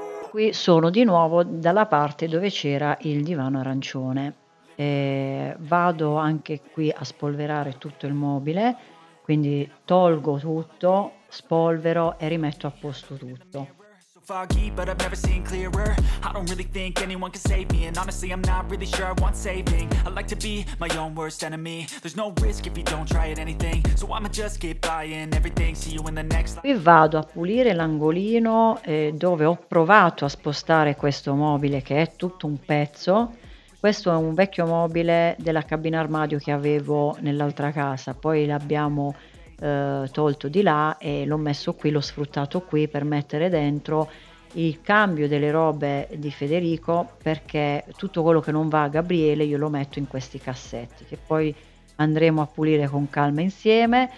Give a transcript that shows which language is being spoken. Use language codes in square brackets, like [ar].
[it] Qui sono di nuovo dalla parte dove c'era il divano arancione. Vado anche qui a spolverare tutto il mobile, quindi tolgo tutto, spolvero e rimetto a posto tutto. [en] Foggy, but I've never seen clearer. I don't really think anyone can save me. And honestly, I'm not really sure I want saving. I like to be my own worst enemy. There's no risk if you don't try at anything. So I'ma just keep buying everything. See you in the next life. [it] Qui vado a pulire l'angolino dove ho provato a spostare questo mobile che è tutto un pezzo. Questo è un vecchio mobile della cabina armadio che avevo nell'altra casa. Poi l'abbiamo tolto di là e l'ho messo qui, l'ho sfruttato qui per mettere dentro il cambio delle robe di Federico, perché tutto quello che non va a Gabriele io lo metto in questi cassetti che poi andremo a pulire con calma insieme.